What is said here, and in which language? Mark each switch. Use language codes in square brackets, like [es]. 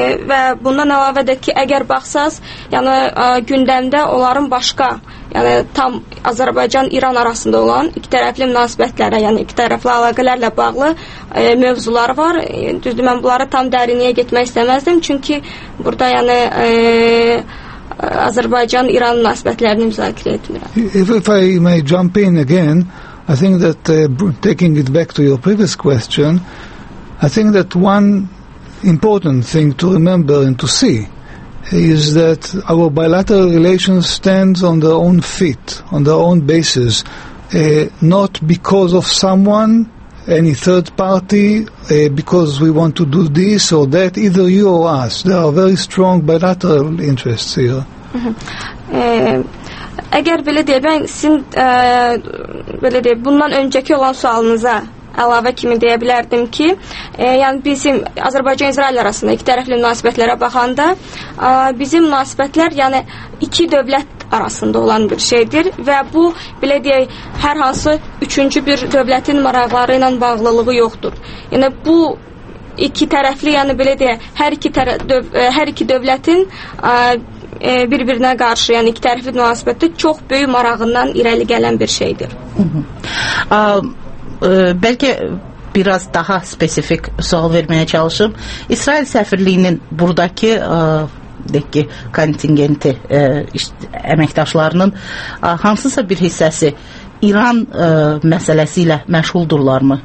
[az] Və bundan əlavə də ki, əgər baxsaz, yəni gündəmdə onların başqa, yəni tam Azərbaycan-İran arasında olan iki tərəfli münasibətlərə, yəni iki tərəfli əlaqələrlə bağlı mövzular var. Düzdür, mən bunları tam dərinliyə getmək istəməzdim. Çünki burada, yəni Azerbaijan-Iran münasibətlərini müzakirə etmirəm. [en] If I may jump in again, I think that taking it back to your previous question, I think that one important thing to remember and to see is that our bilateral relations stands on their own feet, on their own basis, not because of someone any third party because we want to do this or that, either you or us. There are very strong bilateral interests here. [az] Əgər belə deyə, ben sizin belə deyə, bundan önceki olan sualınıza əlavə kimi deyə bilərdim ki, yəni bizim Azərbaycan-İsrail arasında iki tərəfli münasibətlərə baxanda bizim münasibətlər yəni iki dövlət arasında olan bir şeydir və bu belə deyək, hər hansı üçüncü bir dövlətin maraqları ilə bağlılığı yoxdur. Yəni bu iki tərəfli, yəni belə deyək, hər iki dövlətin bir-birinə qarşı, yəni iki tərəfli münasibətdə çox böyük marağından irəli gələn bir şeydir. Bəlkə biraz daha spesifik sual verməyə çalışım. İsrail səfirliyinin buradakı deyək ki, kontingenti əməkdaşlarının hansısa bir hissəsi İran məsələsi ilə məşğuldurlarmı?